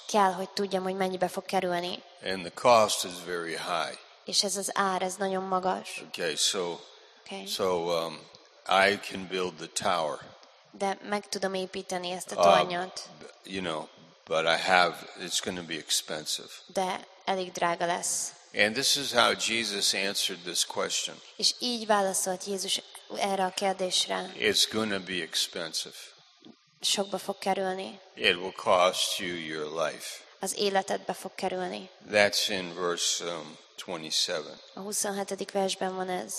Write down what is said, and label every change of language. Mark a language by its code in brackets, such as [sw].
[hu] Kell, hogy tudjam, hogy mennyibe fog kerülni. [en] And the cost is very high. [hu] És ez az ár, ez nagyon magas. [en] Okay, so, okay. So I can build the tower. [hu] De meg tudom építeni ezt a tornyot. [en] You know, but I have, it's going to be expensive. [hu] De elég drága lesz. [en] And this is how Jesus answered this question. [hu] És így válaszolt Jézus erre a kérdésre. [en] It's going to be expensive. [hu] Sokba fog kerülni. [en] It will cost you your life. [hu] Az életedbe fog kerülni. [en] That's in verse 27. [hu] A 27. versben van ez.